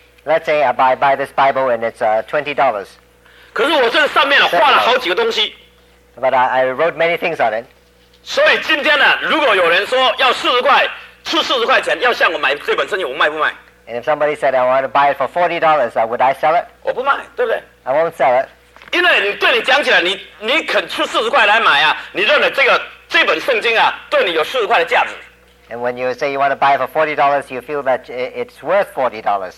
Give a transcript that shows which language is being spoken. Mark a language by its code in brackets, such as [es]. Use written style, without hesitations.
[en] Let's say I buy this Bible and it's $20. [zh] 可是我这上面画了好几个东西。 [en] But I wrote many things on it. [zh] 所以今天呢,如果有人说要40块,出40块钱,要向我买这本圣经,我卖不卖? [en] And if somebody said I want to buy it for $40, would I sell it? [zh] 我不卖,对不对? [en] I won't sell it. [zh] 因为你对你讲起来,你肯出40块来买啊,你认为这本圣经啊,对你有40块的价值。 [en] And when you say you want to buy it for $40, you feel that it's worth $40.